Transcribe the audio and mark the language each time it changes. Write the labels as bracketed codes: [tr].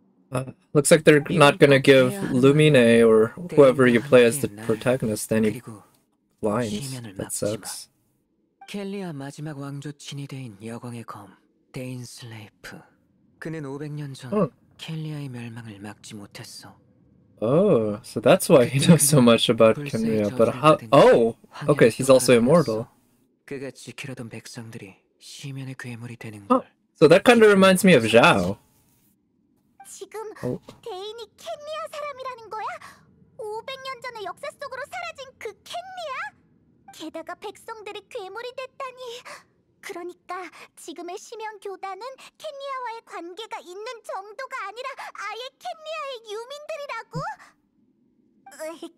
[en] 아, looks like they're not gonna give Lumine or whoever you play as the protagonist any lines. That sucks. [ko] 켈리아 마지막 왕조 친이 된 여광의 검 데인슬레이프. 그는 500년 전 켈리아의 멸망을 막지 못했어. [en] Oh, so that's why he knows so much about Kenria. But how? Oh, okay, he's also immortal. Oh, so that kind of reminds me of Zhao. [ko] 지금 대인이 켄리아 사람이라는 거야? 500년 전에 역사 속으로 사라진 그 켄리아? 게다가 백성들이 괴물이 됐다니. 그러니까 지금의 심연 교단은 켄리아와의 관계가 있는 정도가 아니라 아예 켄리아의 유민들이라고?